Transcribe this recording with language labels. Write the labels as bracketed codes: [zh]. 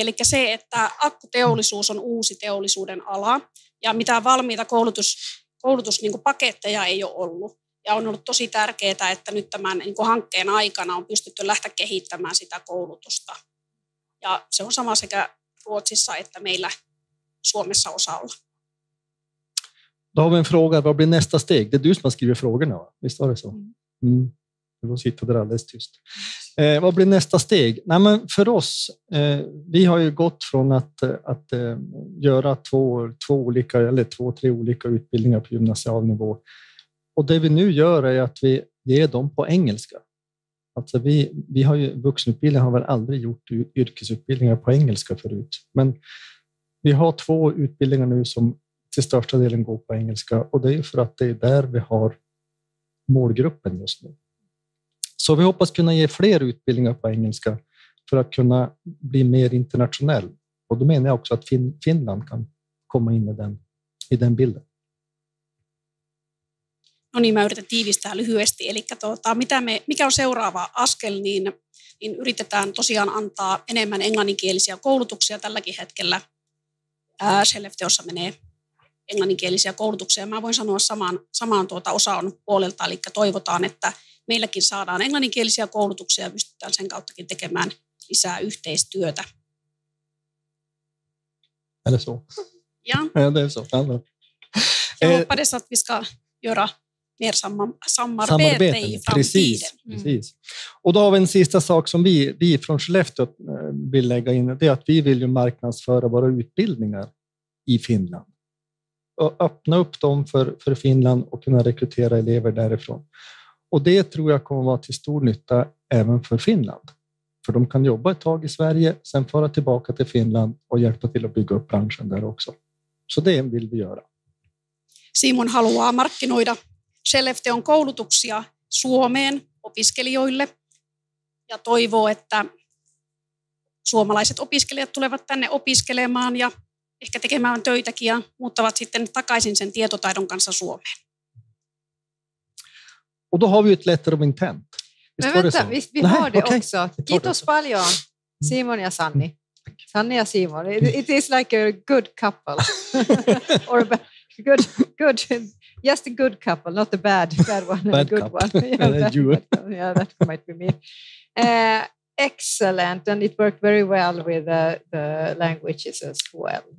[fi] Eli se, että akkuteollisuus on uusi teollisuuden ala ja mitään valmiita koulutus niin kuin paketteja ei ole ollut. Ja on ollut tosi tärkeää, että nyt tämän niin kuin hankkeen aikana on pystytty lähteä kehittämään sitä koulutusta. Ja se on sama sekä Ruotsissa että meillä Suomessa osalla. [sv] Då har vi en fråga. Vad blir nästa steg? Det är du som skriver frågorna, va? Visst var det så? Då sitter det alldeles tyst. Vad blir nästa steg? Nej, men för oss, vi har ju gått från att göra två, tre olika utbildningar på gymnasial nivå. Och det vi nu gör är att vi ger dem på engelska. Alltså vi har ju vuxenutbildning, har väl aldrig gjort yrkesutbildningar på engelska förut. Men vi har två utbildningar nu som till största delen går på engelska, och det är för att det är där vi har målgruppen just nu. Så vi hoppas kunna ge fler utbildningar på engelska för att kunna bli mer internationell. Och då menar jag också att Finland kan komma in i den bilden. [fi] No niin, mä yritän tiivistää lyhyesti. Eli mikä on seuraava askel, niin yritetään tosiaan antaa enemmän englanninkielisiä koulutuksia tälläkin hetkellä. Skellefteossa menee englanninkielisiä koulutuksia. Mä voin sanoa samaan osaan puolelta, eli toivotaan, että meilläkin saadaan englanninkielisiä koulutuksia ja pystytään sen kauttakin tekemään lisää yhteistyötä. [sv] Eller så. Ja. Ja, det är så. Ja, hoppas det att vi ska göra mer samarbete i framtiden. Precis. Och då har vi en sista sak som vi från Skellefteå vill lägga in. Det är att vi vill ju marknadsföra våra utbildningar i Finland. Och öppna upp dem för Finland och kunna rekrytera elever därifrån. Och det tror jag kommer att vara till stor nytta även för Finland. För de kan jobba ett tag i Sverige, sen föra tillbaka till Finland och hjälpa till att bygga upp branschen där också. Så det vill vi göra. [fi] Simon haluaa markkinoida Skellefteån koulutuksia Suomeen opiskelijoille ja toivoo, että suomalaiset opiskelijat tulevat tänne opiskelemaan ja ehkä tekemään töitäkin ja muuttavat sitten takaisin sen tietotaidon kanssa Suomeen. [sv] Och då har vi ett [en] letter of intent. [sv] Men vänta, vi har det också. [fi] Kiitos paljon, Simon ja Sanni. [en] Sanni ja Simon. It is like a good couple. Or good, just a good couple, not a bad one. Bad good couple. One. Yeah, that might be me. Excellent, and it worked very well with the languages as well.